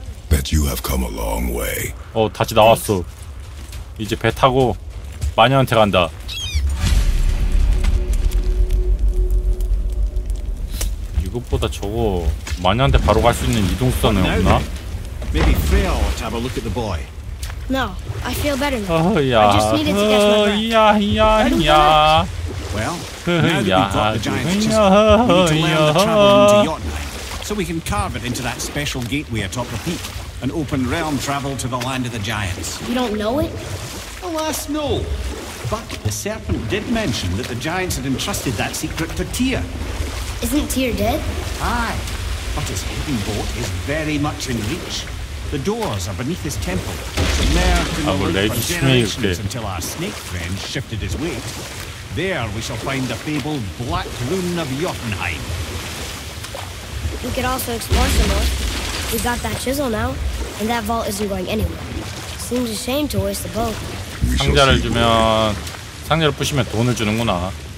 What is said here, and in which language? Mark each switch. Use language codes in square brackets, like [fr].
[en] Bet you have come a long way. [ko] 어, 다시 나왔어. 이제 배 타고 마녀한테 간다. 이것보다 저거 마녀한테 바로 갈 수 있는 이동수단은 없나? [en] Maybe Freya ought to have a look at the boy. No, I feel better now. Oh, yeah. I just needed to get my breath. Yeah, yeah, yeah. Well, now that we've got the giant chisel, we need to learn to travel into Jotunheim so we can carve it into that special gateway atop the peak and open realm travel to the land of the giants. You don't know it? Alas, no. But the serpent did mention that the giants had entrusted that secret to Tyr. Isn't Tyr dead? Aye, but his hidden boat is very much in reach. The doors are beneath his temple, so there can be for generations until our snake friend shifted his weight. There we shall find the fabled Black Rune of Jotunheim. We could also explore some more. We've got that chisel now, and that vault isn't going anywhere. Seems a shame to waste the boat. [ko] 상자를 주면, 상자를 부시면 돈을 주는구나.